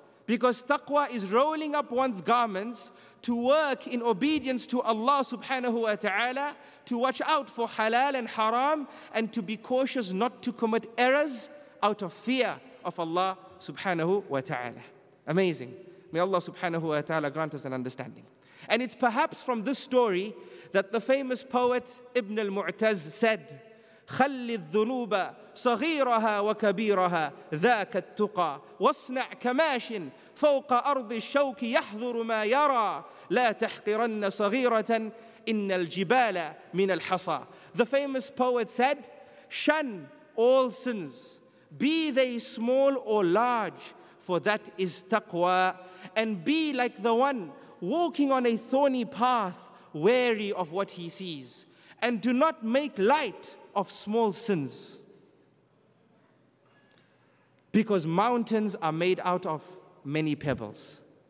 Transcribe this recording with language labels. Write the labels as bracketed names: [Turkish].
[English] Because taqwa is rolling up one's garments to work in obedience to Allah subhanahu wa ta'ala, to watch out for halal and haram, and to be cautious not to commit errors out of fear of Allah subhanahu wa ta'ala. Amazing. May Allah subhanahu wa ta'ala grant us an understanding. And it's perhaps from this story that the famous poet Ibn al-Mu'taz said, [Arabic] خلي الذنوب صغيرها وكبيرها ذاك التقى واصنع كماش فوق أرض الشوك يحضر ما يرى لا تحقرن صغيرة إن الجبال من الحصى. [English] The famous poet said, shun all sins, be they small or large, for that is taqwa, and be like the one walking on a thorny path, wary of what he sees, and do not make light of small sins, because mountains are made out of many pebbles.